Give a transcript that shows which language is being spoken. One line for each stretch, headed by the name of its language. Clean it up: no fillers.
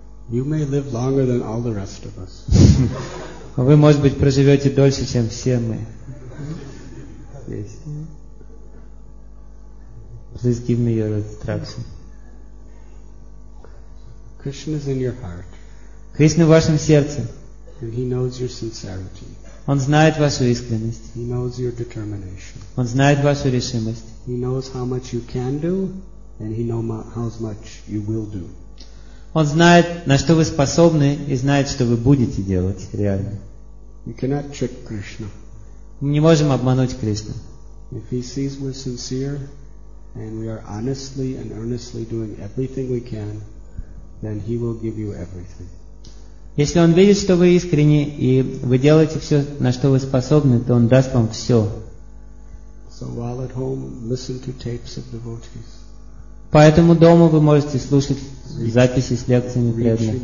English: You may live longer than all the rest of us.
Russian: Вы, может быть, проживете дольше, чем все мы.
English: Please give me your instruction. Krishna is in your heart.
Russian: Krishna в вашем сердце.
English: And he knows your sincerity.
Russian: Он знает вашу искренность.
English: He knows your determination.
Russian: Он знает вашу решимость.
English: He knows how much you can do, and he knows how much you will do.
Russian: Он знает, на что вы способны, и знает, что вы будете делать реально.
English: You cannot trick Krishna.
Russian: Мы не можем обмануть Кришну.
English: If he sees we're sincere, and we are honestly and earnestly doing everything we can, then he will give you everything.
Russian: Если он видит, что вы искренни и вы делаете все, на что вы способны, то он даст вам все.
English: So while at home, listen to tapes of devotees.
Russian: Поэтому дома вы можете слушать записи с лекциями преданных